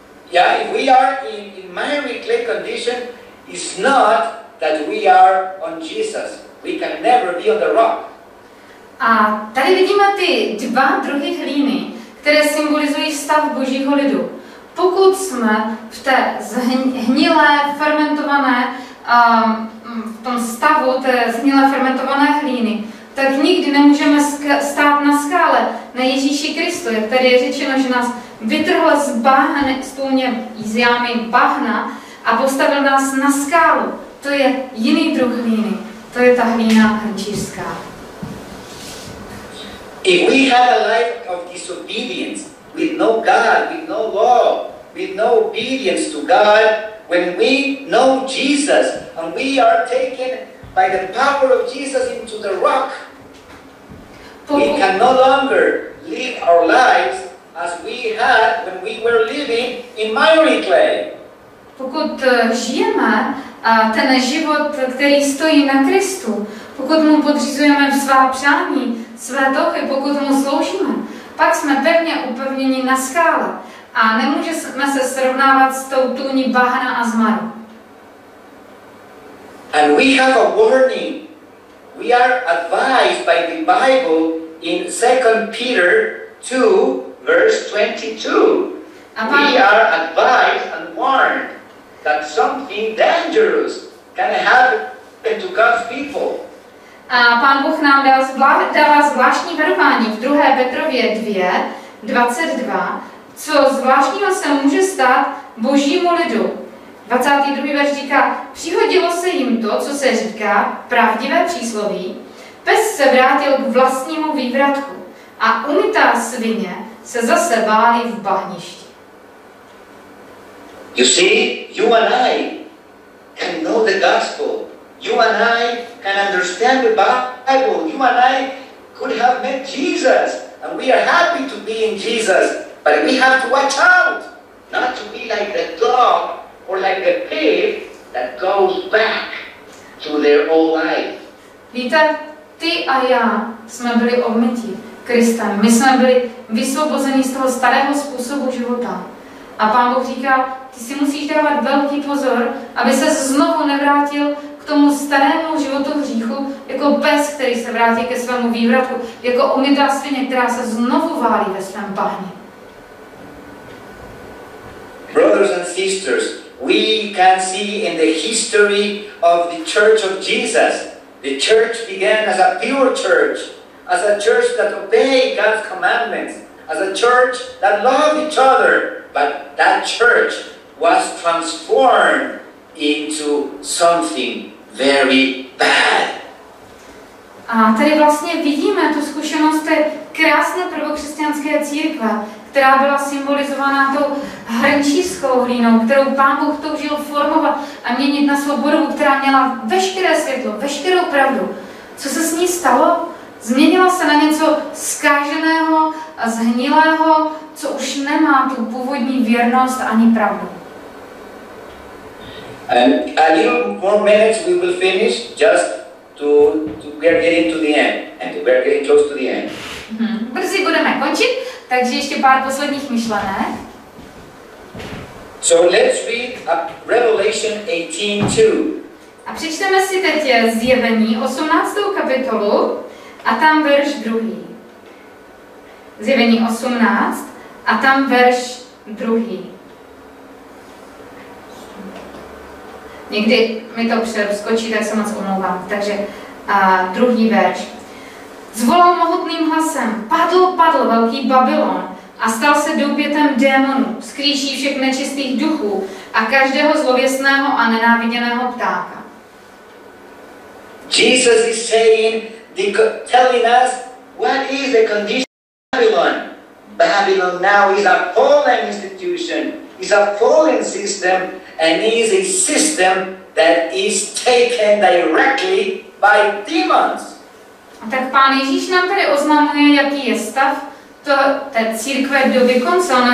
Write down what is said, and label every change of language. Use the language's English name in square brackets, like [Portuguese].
[English] If we are in miry clay condition, it's not that we are on Jesus. We can never be on the rock. [Czech] A tady vidíme ty dva druhy hlíny, které symbolizují stav Božího lidu. Pokud jsme v té zhnilé, fermentované, v tom stavu té zhnilé, fermentované hlíny, tak nikdy nemůžeme stát na skále, na Ježíši Kristu. Jak tady je řečeno, že nás vytrhl z bahna, z tůně, z jámy bahna a postavil nás na skálu. To je jiný druh hlíny. To je ta hlína hrnčířská. [English] If we had a life of disobedience, with no God, with no law, with no obedience to God, when we know Jesus and we are taken by the power of Jesus into the rock, we can no longer live our lives as we had when we were living in miry clay. [Czech] Pokud žijeme ten život, který stojí na Kristu, pokud mu podřizujeme svá přání, své touhy, pokud mu sloužíme, pak jsme pevně upevněni na skále a nemůžeme se srovnávat s tou tůní bahna a zmaru. [English] And we have a warning. We are advised by the Bible in 2 Peter 2, verse 22. We are advised and warned that something dangerous can happen to God's people. [Czech] A Pán Bůh nám dává zvláštní varování v 2. Petrově 2, 22, co zvláštního se může stát Božímu lidu. 22. verš říká, přihodilo se jim to, co se říká, pravdivé přísloví, pes se vrátil k vlastnímu vývratku a umytá svině se zase bály v bahništi. [English] You see, you and I can know the gospel. You and I can understand the Bible. You and I could have met Jesus, and we are happy to be in Jesus. But we have to watch out not to be like the dog or like the pig that goes back to their old life. [Czech] Víte, ty a já jsme byli obmytí Kristem. My jsme byli vysvobozeni z toho starého způsobu života. A Pán Bůh říká, ty si musíš dávat velký pozor, aby ses znovu nevrátil k tomu starému životu hříchu, jako pes, který se vrátí ke svému vývratku, jako umytá svině, která se znovu válí ve svém bahně. [English] Brothers and sisters, we can see in the history of the Church of Jesus, the Church began as a pure church, as a church that obeyed God's commandments, as a church that loved each other, but that church was transformed into something very bad. [Czech] A tady vlastně vidíme tu zkušenost té krásné prvokřesťanské církve, která byla symbolizována tou hrnčířskou hlínou, kterou Pán Bůh toužil formovat a měnit na svobodu, která měla veškeré světlo, veškerou pravdu. Co se s ní stalo? Změnila se na něco zkaženého a zhnilého, co už nemá tu původní věrnost ani pravdu. [English] And a little more minutes we will finish just to we are getting to the end and we are getting close to the end. [Czech] Brzy budeme končit, takže ještě pár posledních myšlenek. [English] So let's read Revelation 18:2. [Czech] A přečteme si teď Zjevení 18. kapitolu a tam verš 2. Zjevení 18 a tam verš 2. Někdy mi to přeskočí, tak se moc omlouvám. Takže druhý verš. Zvolal mohutným hlasem, padl velký Babylon a stal se doupětem démonů, skříší všech nečistých duchů a každého zlověstného a nenáviděného ptáka. [English] Jesus is saying, telling us what is the condition of Babylon. Babylon now is a fallen institution, is a fallen system, and is a system that is taken directly by demons. [Czech] A tak Pán Ježíš nám tady oznamuje, jaký je stav to té církve do konce.